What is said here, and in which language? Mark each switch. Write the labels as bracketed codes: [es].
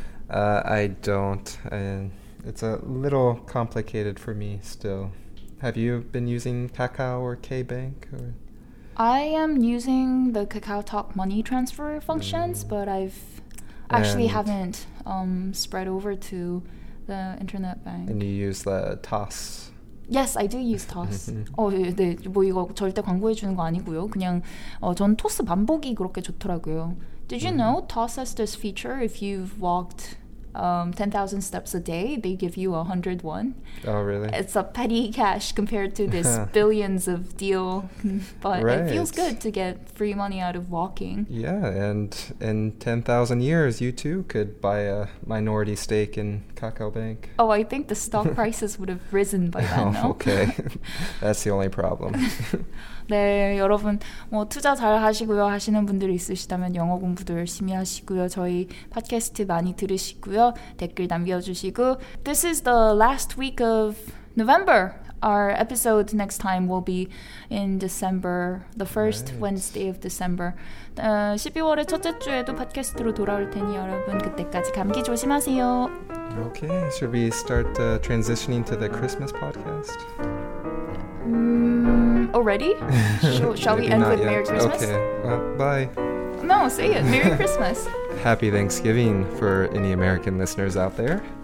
[en] I don't. It's a little complicated for me still. Have you been using Kakao or K-Bank? Or? I am using the KakaoTalk money transfer functions, but I haven't spread over to the internet bank. And you use the Toss? Yes, I do use Toss. [ko] 네, 뭐 이거 절대 광고해 주는 거 아니고요. 그냥 전 토스 반복이 그렇게 좋더라고요. [en] Did you know Toss has this feature if you've walked 10,000 steps a day, they give you 100 won. Oh, really? It's a petty cash compared to this billions of deal. But right. It feels good to get free money out of walking. Yeah, and in 10,000 years, you too could buy a minority stake in Kakao Bank. Oh, I think the stock prices would have risen by then, oh, okay. That's the only problem. [ko] 네, 여러분, 뭐 투자 잘 하시고요 하시는 분들이 있으시다면 영어 공부도 열심히 하시고요 저희 팟캐스트 많이 들으시고요 댓글 남겨주시고 [en] This is the last week of November. Our episode next time will be in December, the first right. Wednesday of December. [ko] 12월의 첫째 주에도 팟캐스트로 돌아올 테니 여러분 그때까지 감기 조심하세요. [en] Okay, should we start transitioning to the Christmas podcast? Already? Shall we end with yet. Merry Christmas? Okay. Well, bye. No, say it. Merry Christmas. Happy Thanksgiving for any American listeners out there.